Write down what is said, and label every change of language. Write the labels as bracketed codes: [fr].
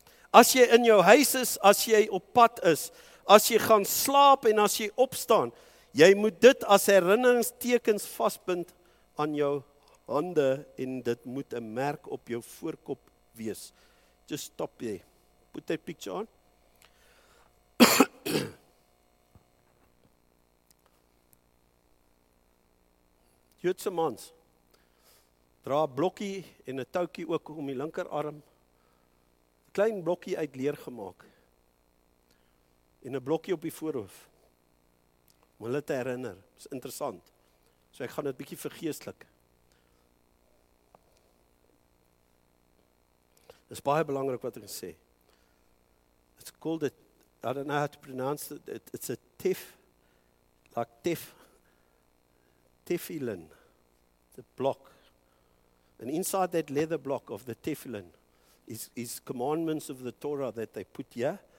[af] As jy in jou huis is, as jy op pad is, as jy gaan slaap en as jy opstaan, jy moet dit as herinneringstekens vastbind aan jou hande en dit moet 'n merk op jou voorkop wees. [en] Just stop jy. Put that picture on. [af] Joodse mans, dra blokkie en 'n toukie ook om die linkerarm. Klein blokkie uit leer gemaak. En 'n blokkie op die voorhoof. Om hulle te herinner. Dis interessant. So ek gaan dit bietjie vergeestelik. Dis baie belangrik wat ek gesê. [en] It's called it, I don't know how to pronounce it, it's a tef, like tef, tefillin. It's a block. And inside that leather block of the tefillin is commandments of the Torah that they put here.